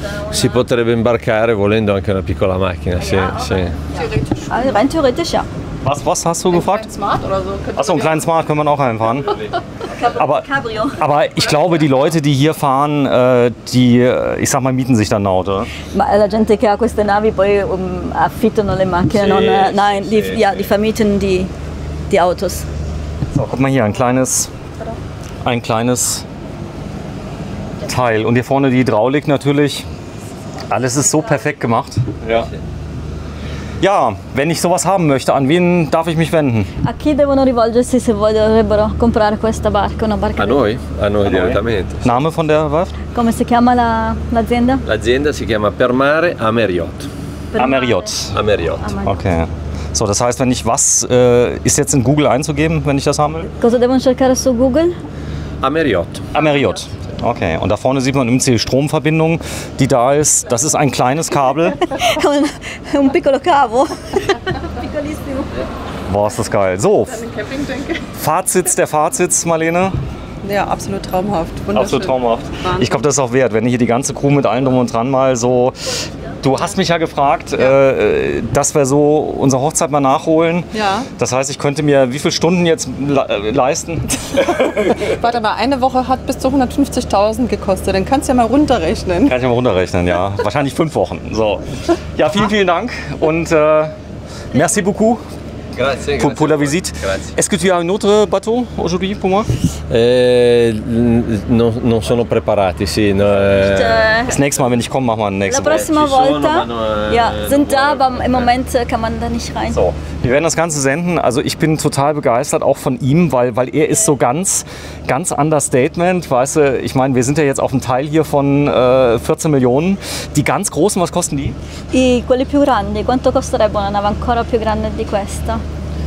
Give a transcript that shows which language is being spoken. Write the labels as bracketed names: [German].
[Italian] Si potrebbe imbarcare volendo anche una piccola macchina, sì, sì. [German] Rein theoretisch, ja. Was hast du gefragt? Ein Smart oder so. Achso, einen kleinen Smart können wir auch einfahren. Cabrio. Aber ich glaube, die Leute, die hier fahren, die, ich sag mal, mieten sich dann Auto. [Italian] Ma la gente che ha queste navi poi affittano le macchine. [German] Nein, die vermieten die Autos. So, guck mal hier, ein kleines Teil. Und hier vorne die Hydraulik natürlich. Alles ist so perfekt gemacht. Ja. Ja, wenn ich sowas haben möchte, an wen darf ich mich wenden? [Italian] A chi devono rivolgersi se vorrebbero comprare questa barca, una barca? A noi direttamente. [German] Sì. Name von der Werft? [Italian] Come si chiama l'azienda? L'azienda si chiama Per Mare Ameriot. Ameriot. Ameriot. [German] Okay. So, das heißt, wenn ich was ist jetzt in Google einzugeben, wenn ich das haben will? [Italian] Cosa devono cercare su Google? Ameriot. Ameriot. [German] Okay, und da vorne sieht man die Stromverbindung, die da ist. Das ist ein kleines Kabel. [Italian] Un piccolo cavo. [German] Piccolissimo. Boah, ist das geil. So, Fazit, Marlene. Ja, absolut traumhaft. Absolut traumhaft. Ich glaube, das ist auch wert, wenn hier die ganze Crew mit allen drum und dran mal so... Du hast mich ja gefragt, ja. Dass wir so unsere Hochzeit mal nachholen. Ja. Das heißt, ich könnte mir wie viele Stunden jetzt leisten? Warte mal, eine Woche hat bis zu 150.000 gekostet. Dann kannst du ja mal runterrechnen. Kann ich mal runterrechnen, ja. Wahrscheinlich 5 Wochen. So. Ja, vielen, vielen Dank und [French] merci beaucoup. [Italian] Grazie, [French] grazie. Pour la visite. [Italian] Grazie. [French] Est-ce que tu as un autre bateau aujourd'hui pour moi? [Italian] Non sono preparati, sì. No, [German] Das nächste Mal, wenn ich komme, machen wir ein nächstes Mal. [Italian] La prossima volta. [German] Ja, sind da, aber im Moment kann man da nicht rein. So, wir werden das Ganze senden. Also ich bin total begeistert, auch von ihm, weil er ist so ganz, ganz Understatement. Weißt du, ich meine, wir sind ja jetzt auf einem Teil hier von 14 Millionen. Die ganz großen, was kosten die? [Italian] I quelli più grandi. Quanto costerebbe una nave ancora più grande di questa?